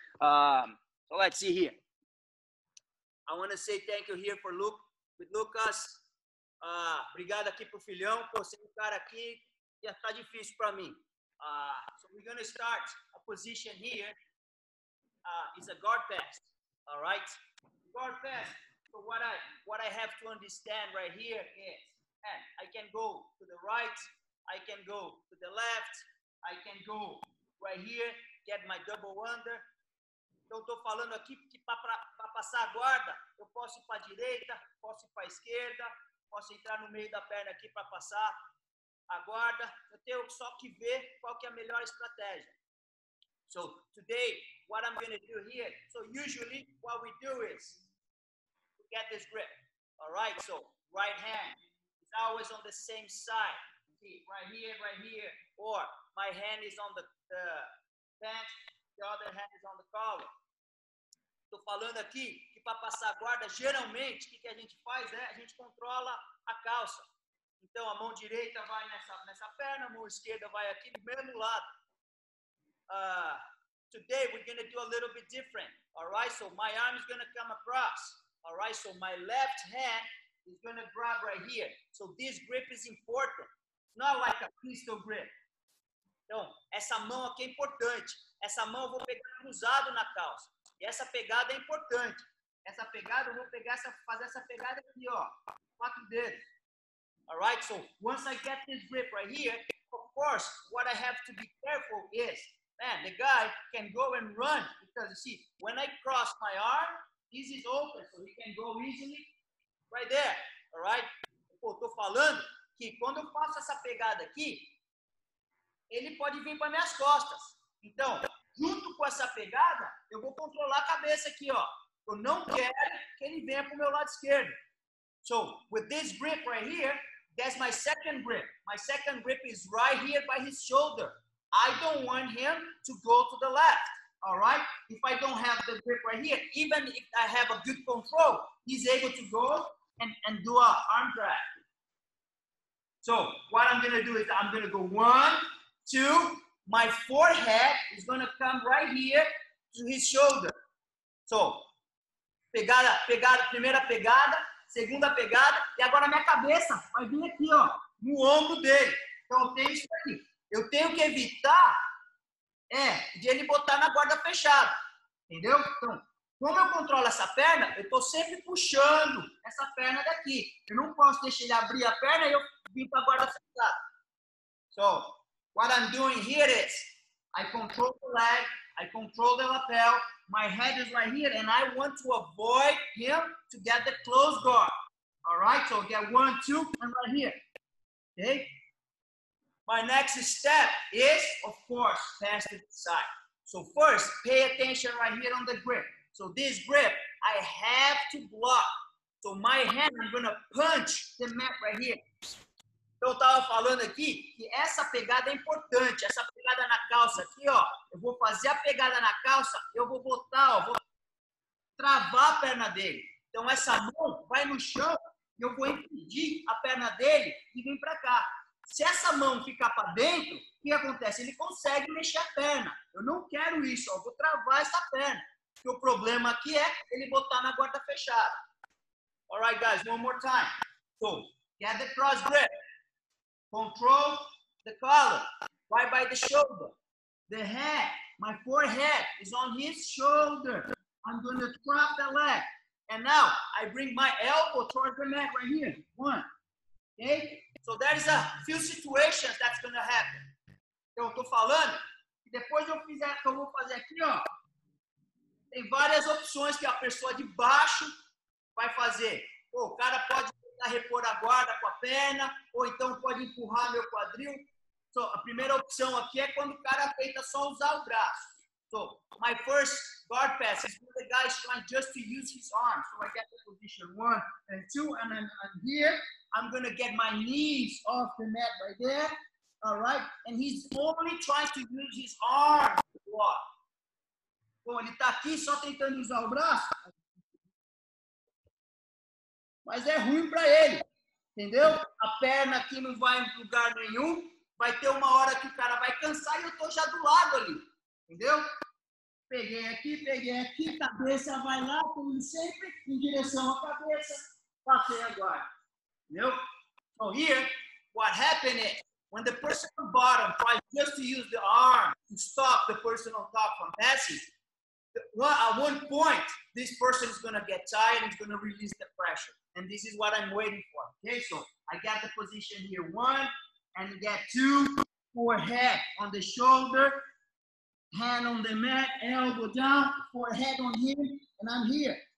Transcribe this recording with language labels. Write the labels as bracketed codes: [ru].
[en] So, let's see here. I want to say thank you here for Luke, with Lucas. [pt] Obrigado aqui pro filhão. Pô, sem o cara aqui, já tá difícil para mim. [en] So, we're going to start a position here. It's a guard pass, all right? Guard pass. So what I have to understand right here is, and I can go to the right, I can go to the left, I can go right here, get my double under. [pt] Então, estou falando aqui que para passar a guarda, eu posso ir para a direita, posso ir para a esquerda, posso entrar no meio da perna aqui para passar a guarda. Eu tenho só que ver qual que é a melhor estratégia. [en] So, today, what I'm going to do here, so usually what we do is, get this grip, all right? So, right hand is always on the same side. See, right here, or my hand is on the pant, the other hand is on the collar. [pt] Tô falando aqui que para passar a guarda, geralmente, o que a gente faz é, a gente controla a calça. Então, a mão direita vai nessa perna, a mão esquerda vai aqui do mesmo lado. [en] Today, we're gonna do a little bit different, all right? So, my arm is gonna come across. All right, so my left hand is going to grab right here. So this grip is important. Not like a pistol grip. [pt] Então, essa mão aqui é importante. Essa mão eu vou pegar cruzado na calça. E essa pegada é importante. Essa pegada, eu vou pegar fazer essa pegada aqui, ó. Quatro dedos. [en] All right, so once I get this grip right here, of course, what I have to be careful is Man, the guy can go and run because you see, when I cross my arm, this is open, so he can go easily right there. All right? [pt] Pô, tô falando que quando eu faço essa pegada aqui, ele pode vir para minhas costas. Então, junto com essa pegada, eu vou controlar a cabeça aqui, ó. Eu não quero que ele venha pro meu lado esquerdo. [en] So, with this grip right here, that's my second grip. My second grip is right here by his shoulder. I don't want him to go to the left, all right? If I don't have the grip right here, even if I have a good control, he's able to go and do a arm drag. So, what I'm going to do is I'm going to go one, two. My forehead is going to come right here to his shoulder. [pt] So, pegada, pegada, primeira pegada, segunda pegada, e agora minha cabeça vai vir aqui, ó, no ombro dele. Então, eu tenho isso aqui. Eu tenho que evitar de ele botar na guarda fechada, entendeu? Então, como eu controlo essa perna, eu estou sempre puxando essa perna daqui. Eu não posso deixar ele abrir a perna e eu vim para a guarda fechada. [en] So, what I'm doing here is, I control the leg, I control the lapel, my head is right here, and I want to avoid him to get the close guard. All right, so get one, two, and right here, okay? My next step is, of course, pass to the side. So first, pay attention right here on the grip. So this grip, I have to block. So my hand, I'm gonna punch the mat right here. [pt] Então eu tava falando aqui que essa pegada é importante. Essa pegada na calça aqui, ó. Eu vou fazer a pegada na calça, eu vou botar, ó, vou travar a perna dele. Então essa mão vai no chão e eu vou impedir a perna dele de vir pra cá. Se essa mão ficar para dentro, o que acontece? Ele consegue mexer a perna. Eu não quero isso, ó. Eu vou travar essa perna. Porque o problema aqui é ele botar na guarda fechada. [en] Alright, guys, one more time. So, get the cross grip. Control the collar. Right by the shoulder. The head, my forehead is on his shoulder. I'm going to drop the leg. And now, I bring my elbow towards the mat right here. One. Okay? So there's a few situations that's going to happen. [pt] Então, eu tô falando que depois eu fizer, que eu vou fazer aqui, ó. Tem várias opções que a pessoa de baixo vai fazer. Pô, o cara pode tentar repor a guarda com a perna, ou então pode empurrar meu quadril. So, a primeira opção aqui é quando o cara tenta só usar o braço. [en] So, my first guard pass is when the guy is trying just to use his arm. So I get the position one and two, and I'm here. I'm going to get my knees off the mat right there, all right? And he's only trying to use his arm to walk. [pt] Bom, ele tá aqui só tentando usar o braço. Mas é ruim para ele, entendeu? A perna aqui não vai em lugar nenhum. Vai ter uma hora que o cara vai cansar e eu tô já do lado ali, entendeu? Peguei aqui, cabeça vai lá, como sempre, em direção à cabeça, passei agora. Entendeu? [en] So here, what happened is, when the person on bottom tries just to use the arm to stop the person on top from passing, at one point, this person is going to get tired and is going to release the pressure. And this is what I'm waiting for. Okay, so I got the position here, one, and get two, forehead on the shoulder, hand on the mat, elbow down, forehead on him, and I'm here.